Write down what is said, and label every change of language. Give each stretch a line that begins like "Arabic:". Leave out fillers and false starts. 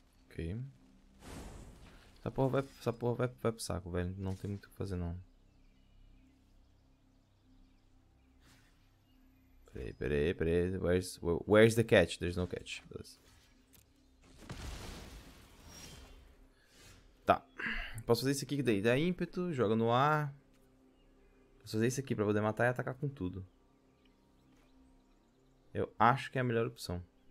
Portuguese: Ok. Essa porra vai pro saco, velho. Não tem muito o que fazer, não. Peraí.
English: Where's the catch? There's no catch.
Portuguese: Beleza. Posso fazer isso aqui que daí dá ímpeto, joga no ar. Posso fazer isso aqui pra poder matar e atacar com tudo. Eu acho que é a melhor opção.